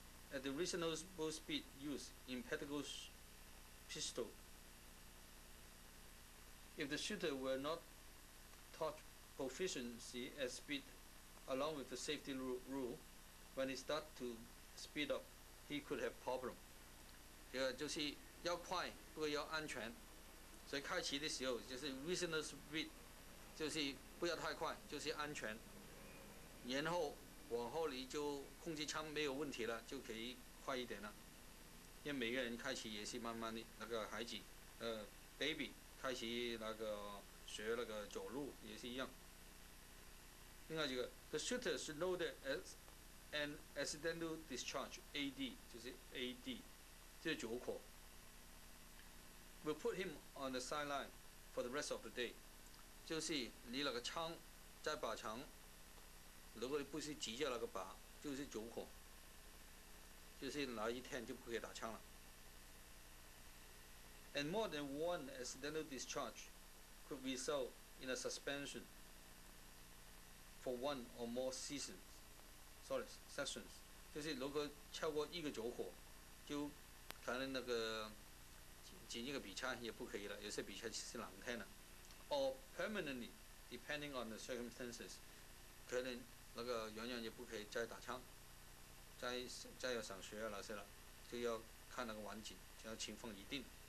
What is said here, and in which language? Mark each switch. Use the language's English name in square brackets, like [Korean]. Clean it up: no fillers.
[English] At the reasonable speed used in practical pistol, if the shooter were not taught proficiency at speed, along with the safety rule, when he start to speed up, he could have problem. [Chinese] 这个就是要快，不过要安全。所以开启的时候就是 [English] reasonable speed， [Chinese] 就是不要太快，就是安全。然后。往后你就控制枪没有问题了，就可以快一点了。因为每个人开始也是慢慢的，那个孩子，baby 开始那个学那个走路也是一样。另外一个 [English] ，the shooter should know that as an accidental discharge AD [Chinese] 就是 AD， 就是着火 [English] will put him on the sideline for the rest of the day. [Chinese] 就是你那个枪在靶场，如果你不是击掉那个靶，就是走火，就是那一天就不可以打枪了。 [English] And more than one accidental discharge could result in a suspension for one or more seasons. Sorry, sessions. [Chinese] 就是如果超过一个走火，就可能那个进一个比赛也不可以了，有些比赛是两天了。 [English] Or permanently, depending on the circumstances, [Chinese] 可能那个永远也不可以再打枪，再要上学啊那些了，就要看那个环境，就要情况一定。